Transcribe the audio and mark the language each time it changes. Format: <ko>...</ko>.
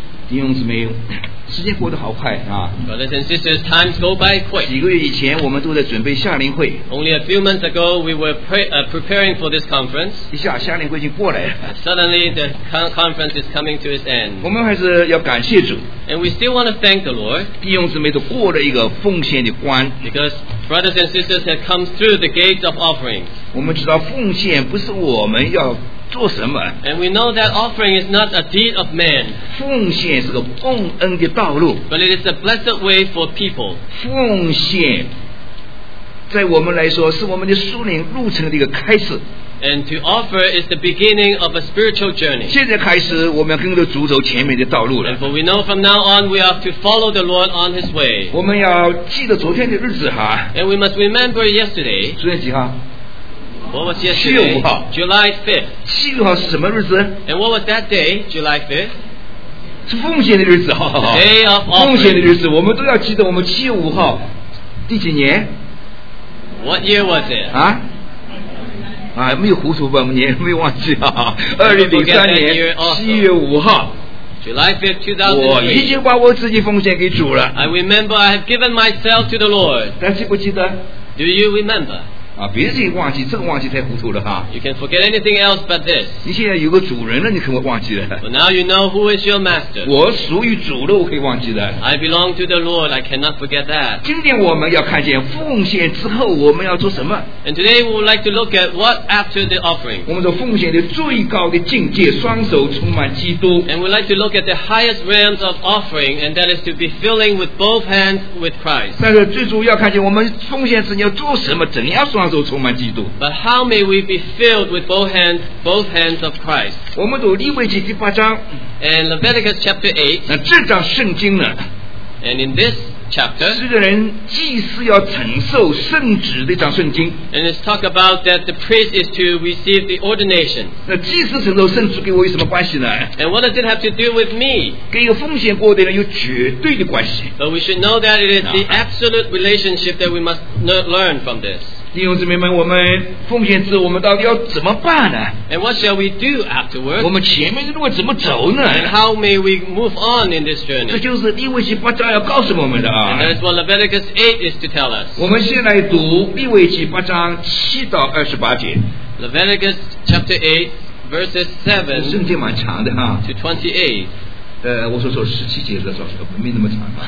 <zh>弟兄姊妹，时间过得好快啊！</zh> <en>Brothers and sisters, times go by quick.</en> <zh>几个月以前，我们都在准备夏令会。</zh> <en>Only a few months ago, we were preparing for this conference.</en> <zh>一下夏令会已经过来了。</zh> <en>Suddenly, the conference is coming to its end.</en> <zh>我们还是要感谢主。</zh> <en>And we still want to thank the Lord.</en> <zh>弟兄姊妹都过了一个奉献的关。</zh> <en>Because brothers and sisters have come through the gates of offering.</en> <zh>我们知道奉献不是我们要。做什么？</zh> <en>And we know that offering is not a deed of man.</en> <zh>奉献是个奉恩的道路。</zh> <en>But it is a blessed way for people.</en> <zh>奉献在我们来说是我们的属灵路程的一个开始。</zh> <en>And to offer is the beginning of a spiritual journey.</en> <zh>现在开始我们要跟着主走前面的道路了。</zh> <en>And for we know from now on we are to follow the Lord on his way.</en> <zh>我们要记得昨天的日子哈。</zh> <en>And we must remember yesterday.</en> <zh>昨天几号？</zh> <en>What was yesterday? July 5th.</en> <zh>七月五号是什么日子？</zh> <en>And what was that day, July 5th?</en> <zh>是奉献的日子。好好好。</zh> <en>The day of offering.</en> <zh>奉献的日子，我们都要记得我们七月五号，第几年？</zh> <en>What year was it?</en> <zh>啊？啊，没有糊涂吧？年没忘记啊。 2003年七月五号。</zh> <en>July 5th, 2003.</en> <zh>我已经把我自己奉献给主了。</zh> <en>I remember I have given myself to the Lord.</en> <zh>但记不记得？</zh> <en>Do you remember?</en> <zh>啊，别的忘记，这个忘记太糊涂了哈。</zh> <en>You can forget anything else but this.</en> <zh>你现在有个主人了，你可会忘记的。</zh> <en>But now you know who is your master.</en> <zh>我属于主了，我可以忘记的。</zh> <en>I belong to the Lord. I cannot forget that.</en> <zh>今天我们要看见奉献之后我们要做什么。</zh> <en>And today we would like to look at what after the offering.</en> <zh>我们说奉献的最高的境界，双手充满基督。</zh> <en>And we'd like to look at the highest realms of offering, and that is to be filling with both hands with Christ.</en> <zh>但是最主要看见我们奉献时你要做什么，怎样双。</zh> <en>But how may we be filled with both hands of Christ?</en> <zh>我们读利未记第八章。</zh> <en>And Leviticus chapter 8.</en> <zh>那这章圣经呢？</zh> <en>And in this chapter,</en> <zh>这个人祭司要承受圣职的一章圣经。</zh> <en>And it's talk about that the priest is to receive the ordination.</en> <zh>那祭司承受圣职跟我有什么关系呢？</zh> <en>And what does it have to do with me?</en> <zh>跟一个奉献过的人有绝对的关系。</zh> <en>But we should know that it is the absolute relationship that we must learn from this.</en> <zh>弟兄姊妹们，我们奉献之后我们到底要怎么办呢？</zh> <en>And what shall we do afterwards?</en> <zh>我们前面的路怎么走呢？</zh> <en>And how may we move on in this journey?</en> <zh>这就是利未记八章要告诉我们的啊。</zh> <en>And that is what Leviticus 8 is to tell us.</en> <zh>我们先来读利未记八章七到二十八节。</zh> <en>Leviticus chapter 8 verses 7.</en> <zh>圣经蛮长的啊。</zh> <en>To 28.</en> <zh>我说说十七节的时候没那么长。</zh>